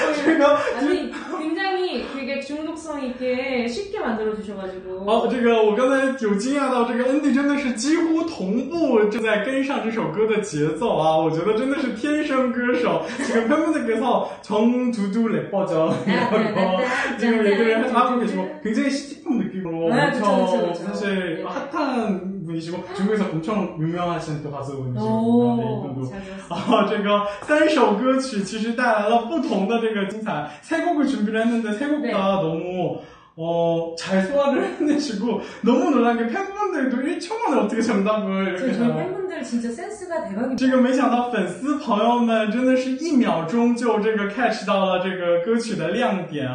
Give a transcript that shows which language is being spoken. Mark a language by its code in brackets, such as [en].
[ko] 제가아니굉장히되게중독성있게쉽게만들어주셔가지고 [zh] 아这个我刚才有惊讶到这个 ND 真的是几乎同步正在跟上这首歌的节奏啊我觉得真的是天生歌手 [ko] 지금팬분들께서정두두랩버전이라고지금얘기를하고계시고굉장히시티 친숙한 느낌으로 네, 엄청 그쵸, 그쵸, 그쵸. 사실 네. 핫한 분이시고 중국에서 엄청 유명하신 또 가수분이시고 잘들었습니다. 제가 [zh] 3首歌曲 [ko] 사실 [zh] 带来了不同的这个精彩 [ko] 3곡을 준비를 했는데 3곡 다 네. 너무 잘 소화를 해내시고 너무 놀란 게 팬분들도 1초 만에 어떻게 정답을 이렇게 저희 팬분들 진짜 센스가 대박입니다. 지금 [zh] 没想到 팬스朋友们 真的是一秒钟就这个 catch到了这个歌曲的亮点